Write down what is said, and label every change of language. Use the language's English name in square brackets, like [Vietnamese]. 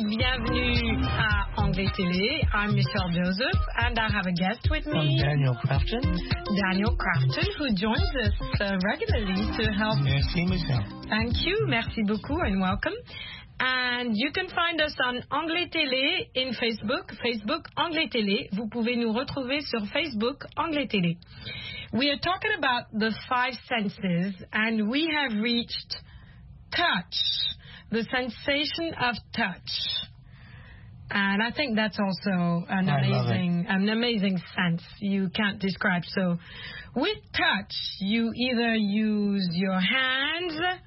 [French] Bienvenue à Anglais Télé. [English] I'm Michelle Joseph, and I have a guest with me. I'm Daniel Crafton. Daniel Crafton, who joins us regularly to help. [French] Merci, Michelle. [English] Thank you. [French] Merci beaucoup, [English] and welcome. And you can find us on Anglais Télé in Facebook. Facebook Anglais Télé. [French] Vous pouvez nous retrouver sur Facebook Anglais Télé. [English] We are talking about the five senses, and we have reached touch, the sensation of touch. And I think that's also an amazing sense you can't describe. So with touch, you either use your hands